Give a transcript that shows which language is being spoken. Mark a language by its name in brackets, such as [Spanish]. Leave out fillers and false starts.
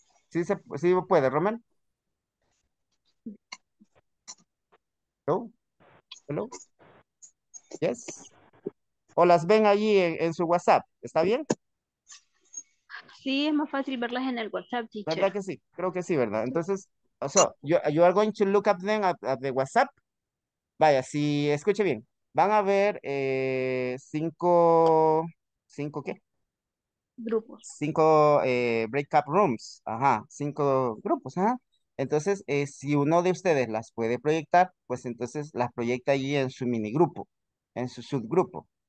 [Spanish] Sí, sí puede, Rommel. [English] Hello. Yes. [Spanish] O las ven allí en su WhatsApp, ¿está bien? Sí, es más fácil verlas en el WhatsApp, teacher. ¿Verdad que sí? Creo que sí, ¿verdad? [English] Entonces, so, you are going to look up them at the WhatsApp. [Spanish] Vaya, si escuche bien, van a ver cinco ¿qué? Grupos. Cinco breakout rooms, ajá, cinco grupos, ajá. Entonces, si uno de ustedes las puede proyectar, pues entonces las proyecta allí en su mini grupo, en su subgrupo.